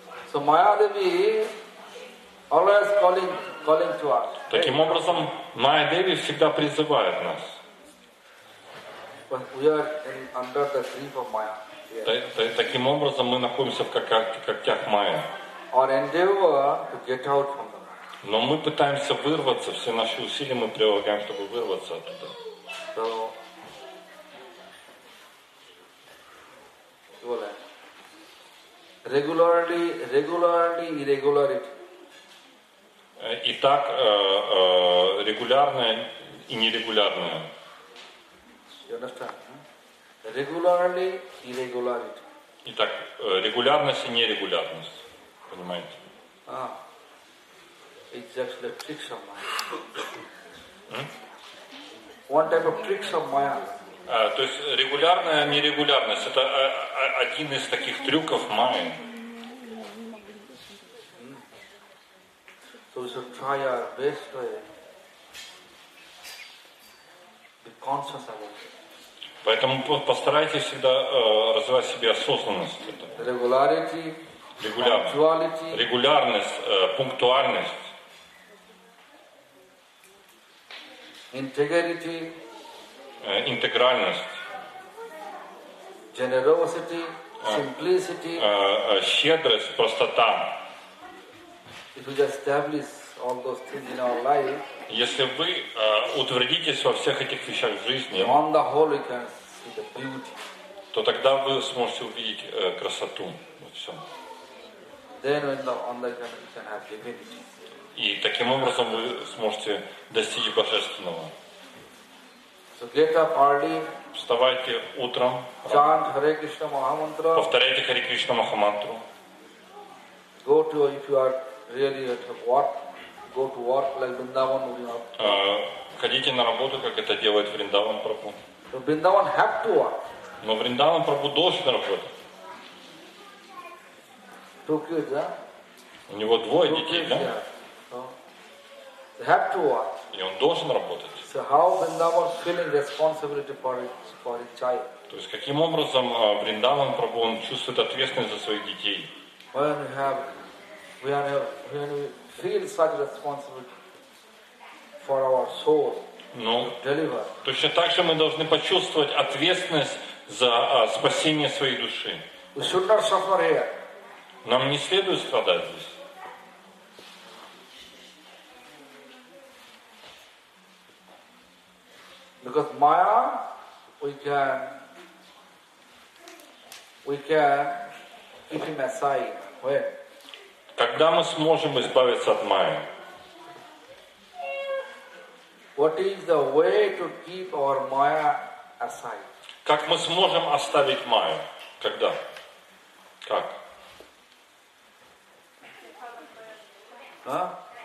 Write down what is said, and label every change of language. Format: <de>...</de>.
<en>So Maya Devi always calling to us.</en> <ru>Таким образом, Maya Devi всегда призывает нас.</ru> <en>We are under the grip of Maya.</en> <ru>Таким образом, мы находимся в когтях Maya.</ru> <en>Our endeavor to get out from.</en> <ru>Но мы пытаемся вырваться, все наши усилия мы прилагаем, чтобы вырваться оттуда. Итак, регулярное и нерегулярное.</ru> <en>You understand? Regularly, irregularity.</en> <ru>Итак, регулярность и нерегулярность. Понимаете?</ru> <en>It's actually tricks of Maya. One type of tricks of Maya.</en> <ru>То есть регулярная нерегулярность это один из таких трюков Майи.</ru> <en>So we should try our best way. Be conscious about it.</en> <ru>Поэтому постарайтесь всегда развивать в себе осознанность.</ru> <en>Regularity, punctuality.</en> <ru>Регулярность, пунктуальность.</ru> <en>Integrity.</en> <ru>Интегральность.</ru> <en>Generosity, simplicity.</en> <ru>Щедрость, простота.</ru> <en>If you establish all those things in our life,</en> <ru>если вы утвердитесь во всех этих вещах в жизни,</ru> <en>on the whole, you can see the beauty.</en> <ru>То тогда вы сможете увидеть красоту во всем.</ru> <en>Then on the other hand, you can have divinity.</en> <ru>И таким образом вы сможете достичь божественного.</ru> <en>So get up early.</en> <ru>Вставайте утром.</ru> <en>Chant Hare Krishna Mahamantra.</en> <ru>Повторяйте Hare Krishna Mahamantra.</ru> <en>Go to if you are really at work, go to work like Vrindavan.</en> <ru>Ходите на работу, как это делает Вриндаван Прабху.</ru> <en>So Vrindavan have to work.</en> <ru>Но Вриндаван Прабху должен работать.</ru> <en>Two kids, да?</en> <ru>У него двое детей, да?</ru> <en>They have to work.</en> <ru>И он должен работать.</ru> <en>So how Vrindavan feeling responsibility for his child?</en> <ru>То есть каким образом Вриндаван Прабху он чувствует ответственность за своих детей?</ru> <en>When we have, when we feel such responsibility for our soul, no. To deliver.</en> <ru>Точно так же мы должны почувствовать ответственность за спасение своей души.</ru> <en>We should not suffer here.</en> <ru>Нам не следует страдать здесь.</ru> <en>Because Maya, we can keep him aside. When?</en> <ru>Когда мы сможем избавиться от Майи?</ru> <en>What is the way to keep our Maya aside?</en> <ru>Как мы сможем оставить Майю? Когда? Как? А?</ru>